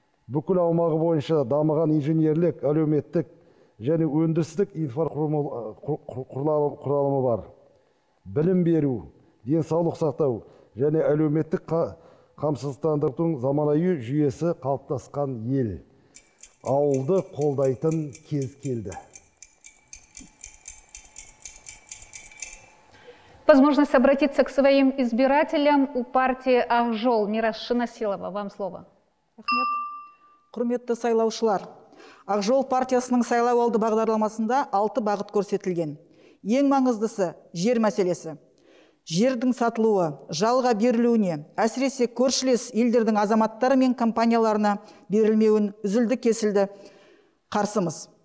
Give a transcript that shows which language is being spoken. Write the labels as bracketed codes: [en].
[kk] Бүкіл аумағы бойынша дамыған инженерлік, әлеуметтік және өндірістік инфрақұрылымы бар. Білім беру, денсаулық сақтау және әлеуметтік қамсыздандырудың заманауи жүйесі қалыптасқан ел. Ауылды қолдайтын кез келді. [ru] Возможность обратиться к своим избирателям у партии «Ақ жол». Мираш Шынасилова, вам слово. [kk] Рахмет. Құрметті сайлаушылар, «Ақ жол» партиясының сайлау алды бағдарламасында 6 бағыт көрсетілген. Ең маңыздысы – жер мәселесі. Жердің сатылуы, жалға берілуіне, әсіресе көршілес елдердің азаматтары мен компанияларына берілмеуін үзілді кесілді қарсымыз.